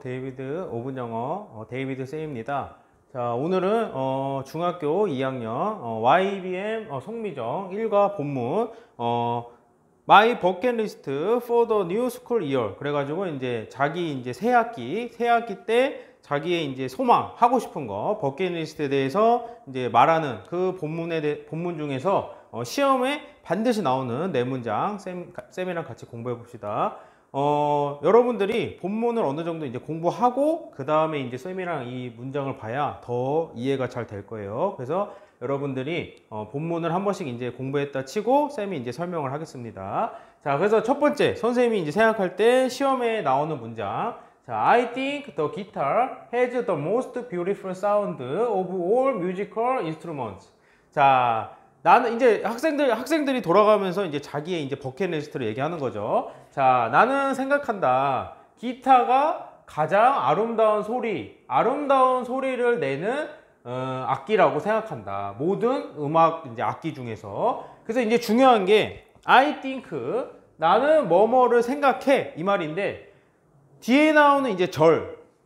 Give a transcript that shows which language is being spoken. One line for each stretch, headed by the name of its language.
Korean: 데이비드 5분 영어, 데이비드 쌤입니다. 자, 오늘은 중학교 2학년 YBM 송미정 1과 본문
English: My bucket list for the new school year.
Korean: 그래가지고 이제 자기 이제 새 학기 때 자기의 이제 소망 하고 싶은 거 버킷 리스트에 대해서 이제 말하는 그 본문 중에서 시험에 반드시 나오는 네 문장 쌤이랑 같이 공부해 봅시다. 여러분들이 본문을 어느 정도 이제 공부하고 그 다음에 이제 쌤이랑 이 문장을 봐야 더 이해가 잘될 거예요. 그래서 여러분들이 본문을 한 번씩 이제 공부했다 치고 쌤이 이제 설명을 하겠습니다. 자, 그래서 첫 번째 선생님이 이제 생각할 때 시험에 나오는 문장.
English: 자, I think the guitar has the most beautiful sound of all musical instruments.
Korean: 자, 나는 이제 학생들이 돌아가면서 이제 자기의 이제 버킷리스트를 얘기하는 거죠. 자, 나는 생각한다. 기타가 가장 아름다운 소리를 내는 악기라고 생각한다. 모든 음악 이제 악기 중에서. 그래서 이제 중요한 게
English: I think
Korean: 나는 뭐뭐를 생각해 이 말인데 뒤에 나오는 이제 절.